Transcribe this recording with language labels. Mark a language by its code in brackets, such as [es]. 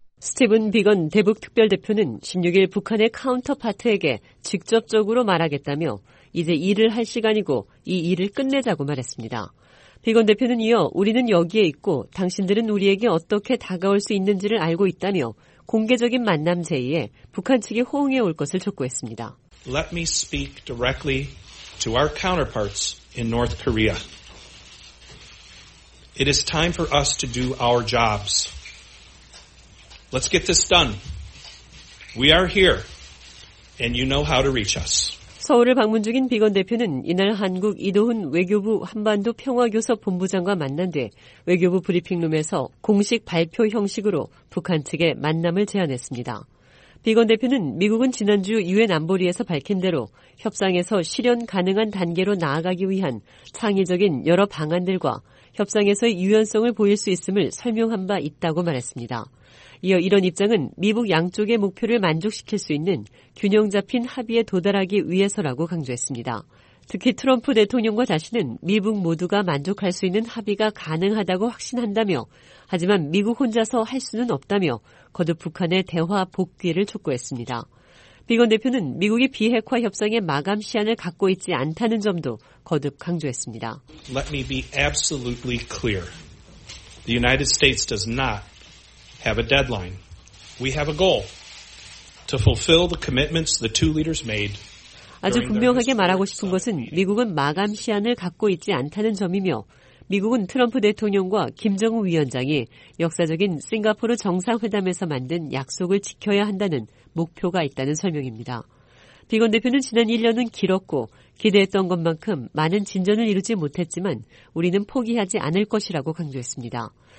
[ko] 스티븐 비건 대북특별대표는 16일 북한의 카운터파트에게 직접적으로 말하겠다며 이제 일을 할 시간이고 이 일을 끝내자고 말했습니다. 비건 대표는 이어 우리는 여기에 있고 당신들은 우리에게 어떻게 다가올 수 있는지를 알고 있다며 공개적인 만남 제의에 북한 측이 호응해 올 것을 촉구했습니다. [en] Let me speak directly to our counterparts in North Korea. It is time for us to do our jobs. Let's get this done. We are here, and you know how to reach us. [ko] 서울을 방문 중인 비건 대표는 이날 한국 이도훈 외교부 한반도 평화교섭 본부장과 만난 뒤 외교부 브리핑룸에서 공식 발표 형식으로 북한 측에 만남을 제안했습니다. 비건 대표는 미국은 지난주 유엔 안보리에서 밝힌 대로 협상에서 실현 가능한 단계로 나아가기 위한 창의적인 여러 방안들과 협상에서의 유연성을 보일 수 있음을 설명한 바 있다고 말했습니다. 이어 이런 입장은 미북 양쪽의 목표를 만족시킬 수 있는 균형 잡힌 합의에 도달하기 위해서라고 강조했습니다. 특히 트럼프 대통령과 자신은 미북 모두가 만족할 수 있는 합의가 가능하다고 확신한다며 하지만 미국 혼자서 할 수는 없다며 거듭 북한의 대화 복귀를 촉구했습니다. 비건 대표는 미국이 비핵화 협상의 마감 시한을 갖고 있지 않다는 점도 거듭 강조했습니다. [en] Let me be absolutely clear. The United States does not have a deadline. We have a goal to fulfill the commitments the two leaders made. [ko] 아주 분명하게 말하고 싶은 것은 미국은 마감 시한을 갖고 있지 않다는 점이며 미국은 트럼프 대통령과 김정은 위원장이 역사적인 싱가포르 정상회담에서 만든 약속을 지켜야 한다는 목표가 있다는 설명입니다. 비건 대표는 지난 1년은 길었고 기대했던 것만큼 많은 진전을 이루지 못했지만 우리는 포기하지 않을 것이라고 강조했습니다.